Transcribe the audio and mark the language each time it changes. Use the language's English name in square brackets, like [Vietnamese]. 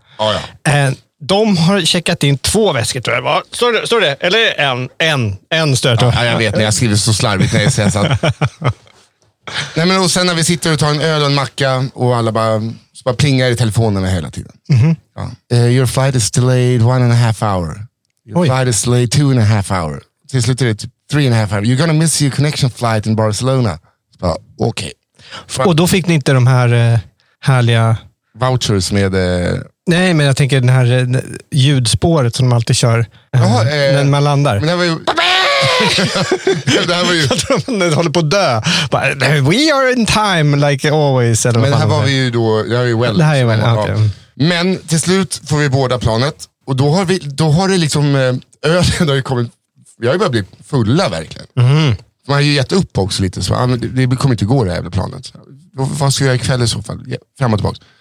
[Swedish] Oh, ja. De har checkat in två väskor, tror jag. Står det? Eller en stört. Ja, jag vet, när jag skriver så slarvigt när jag säger så. Nej, men och sen när vi sitter och tar en öl och en macka och alla bara plingar i telefonerna hela tiden. Mm-hmm. Ja. [English] Your flight is delayed 1.5 hours. Flight is delayed 2.5 hours. [Swedish] Till slut är det [English] 3.5 hours. You're gonna miss your connection flight in Barcelona. [Swedish] Okej. [English] Okay. [Swedish] Och då fick ni inte de här härliga... Vouchers med... Nej, men jag tänker den här ljudspåret som de alltid kör. Jaha, när man landar. Men det här var ju... det här var ju... Jag håller på att dö. [English] But we are in time, like always. [Swedish] Men det här var vi ju då... Det här är ju Welling. Det här är Welling, okej. Okay. Men till slut får vi båda planet. Och då har det liksom... ölen har ju kommit... Vi har ju bara blivit fulla, verkligen. Mm. Man har ju gett upp också lite. Så det kommer inte gå, det här jävla planet. Vad ska jag göra ikväll i så fall? Fram och tillbaka.